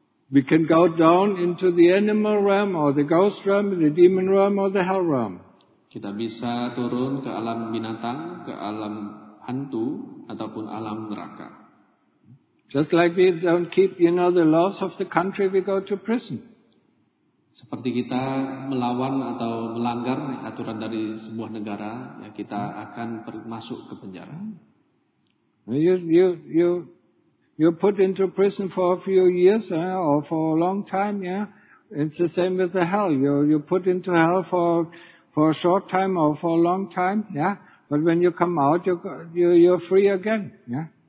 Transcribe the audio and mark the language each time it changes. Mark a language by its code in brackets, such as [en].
[en] We can go down into the animal realm or the ghost realm, the demon realm or the hell realm. [id] Kita bisa turun ke alam binatang, ke alam hantu ataupun alam neraka. [en] Just like we don't keep, you know, the laws of the country, we go to prison. [id] Seperti kita melawan atau melanggar aturan dari sebuah negara, ya, kita akan masuk ke penjara. [en] You put into prison for a few years, or for a long time, yeah. It's the same with the hell. You put into hell for a short time or for a long time, yeah. But when you come out, you're free again, yeah.